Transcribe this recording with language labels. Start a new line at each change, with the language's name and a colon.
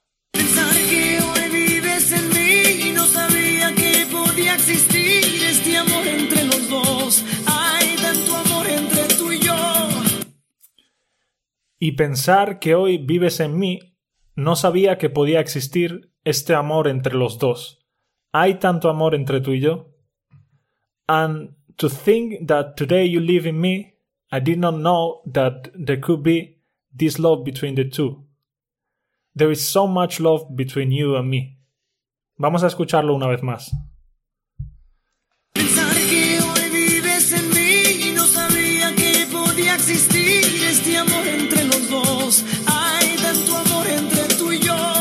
Spanish: Pensar que hoy vives en mí y no sabía que podía existir este amor entre los dos. Hay tanto amor entre tú y yo. Y pensar que hoy vives en mí, no sabía que podía existir este amor entre los dos. Hay tanto amor entre tú y yo.
English: And to think that today you live in me, I did not know that there could be this love between the two. There is so much love between you and me.
Spanish: Vamos a escucharlo una vez más. Pensar que hoy vives en mí y no sabía que podía existir este amor entre los dos. Hay tanto amor entre tú y yo.